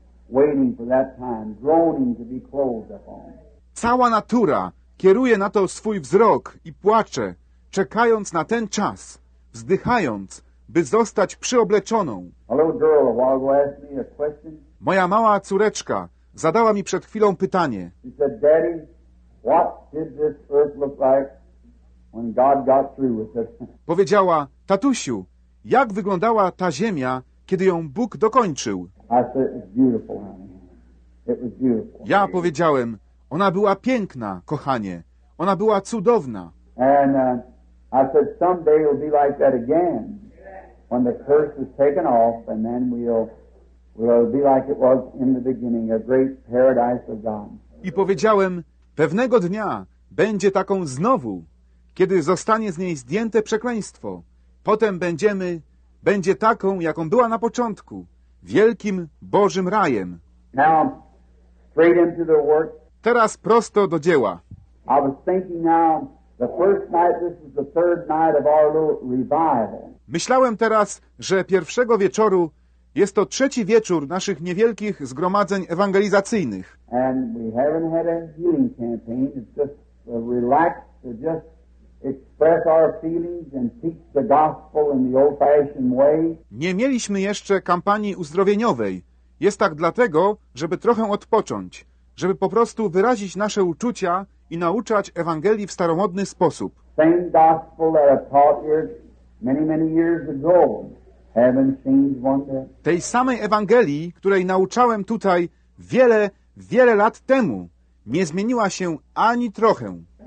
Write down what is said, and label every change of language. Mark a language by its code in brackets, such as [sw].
[en] waiting for that time, groaning to be closed upon. [pl] Cała natura kieruje na to swój wzrok i płacze, czekając na ten czas, wzdychając, by zostać przyobleczoną. [en] A little girl a while ago asked me a question. [pl] Moja mała córeczka zadała mi przed chwilą pytanie. [en] She said, Daddy, what did this earth look like when God got through with it? [pl] Powiedziała, tatusiu, jak wyglądała ta ziemia, kiedy ją Bóg dokończył? [en] I said, it was beautiful, honey. It was beautiful. [pl] Ja powiedziałem, ona była piękna, kochanie. Ona była cudowna. [en] And I said, someday it'll be like that again. When the curse is taken off, and then we'll be like it was in the beginning, a great paradise of God. [pl] I powiedziałem, pewnego dnia będzie taką znowu, kiedy zostanie z niej zdjęte przekleństwo. Potem będzie taką, jaką była na początku, wielkim Bożym rajem. [en] Now, straight into the work. [pl] Teraz prosto do dzieła. [en] I was thinking now, the first night, this is the third night of our little revival. [pl] Myślałem teraz, że pierwszego wieczoru jest to trzeci wieczór naszych niewielkich zgromadzeń ewangelizacyjnych. [en] And we haven't had a healing campaign. It's just relax to just express our feelings and teach the gospel in the old-fashioned way. [pl] Nie mieliśmy jeszcze kampanii uzdrowieniowej. Jest tak dlatego, żeby trochę odpocząć, żeby po prostu wyrazić nasze uczucia i nauczać Ewangelii w staromodny sposób. [en] Same gospel that I taught here many, many years ago. Haven't changed one day. [pl] Tej samej Ewangelii, której nauczałem tutaj wiele, wiele lat temu, nie zmieniła się ani trochę.